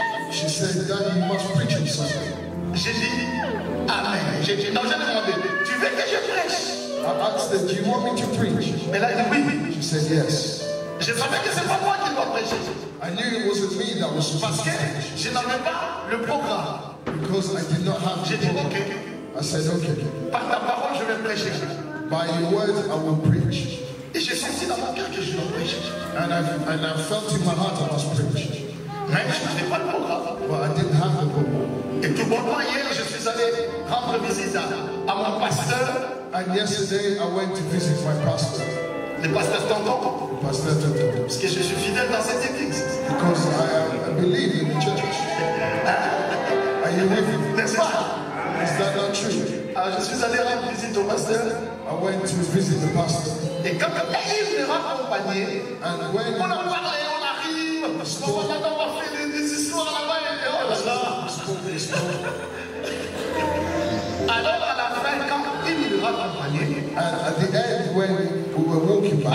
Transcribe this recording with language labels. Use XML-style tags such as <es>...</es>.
<en>She said, Daddy, you must preach on Sunday.</en> <fr>J'ai dit, Amen. Non, j'ai demandé, tu veux que je prêche?</fr> <en>I asked her, do you want me to preach?</en> <fr>Elle a dit, oui, oui.</fr> <en>She said, yes.</en> <fr>Je savais que c'est pas moi qui dois prêcher.</fr> <en>I knew it wasn't me that was</en> <fr>parce que je n'avais pas le programme.</fr> <en>Because I did not have</en> <fr>j'ai dit program. Ok.</fr> <en>I said okay.</en> <fr>Par ta parole je vais prêcher.</fr> <en>By your word I will preach.</en> <fr>Et je sentis dans mon cœur que je dois prêcher.</fr> <en>And I felt in my heart I must preach.</en> <fr>Mais je n'avais pas le programme.</fr> <en>But I didn't have the program.</en> <fr>Et tout bon moi hier je suis allé rendre visite à mon pasteur.</fr> <en>And yesterday I went to visit my pastor.</en> <fr>Le pasteur Tonton. Parce que je suis fidèle dans cette église.</fr> <en>Because I believe in the church. Are you with me?</en> <fr>N'est-ce pas?</fr> <en>Is that not true?</en> <fr>Ah, je suis allé rendre visite au pasteur.</fr> <en>I went to visit the pastor.</en> <fr>Et quand il me raccompagnait,</fr> <en>and when</en> <fr>on a parlé, on arrive. On va faire des histoires là-bas. Et oh là là. Alors à la fin, quand il me raccompagnait.</fr> <en>And at the end, when we were walking back,</en>